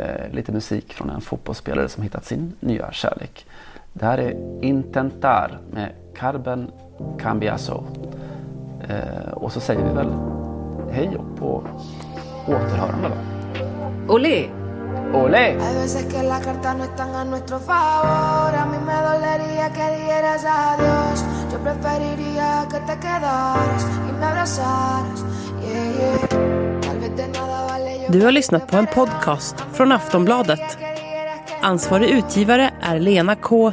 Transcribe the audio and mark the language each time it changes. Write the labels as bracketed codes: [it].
[sv] Lite musik från en fotbollsspelare som hittat sin nya kärlek. Det här är Intentar med Carmen Cambiaso. Och så säger vi väl hej och på återhörande då. Olé. Olé. [es] Hay veces que las cartas no están a nuestro favor. A mí me dolería que dieras adiós. Yo preferiría que te quedaras y me abrazaras. Yeah, yeah. Tal vez de nada vale. [sv] Du har lyssnat på en podcast från Aftonbladet. Ansvarig utgivare är Lena K.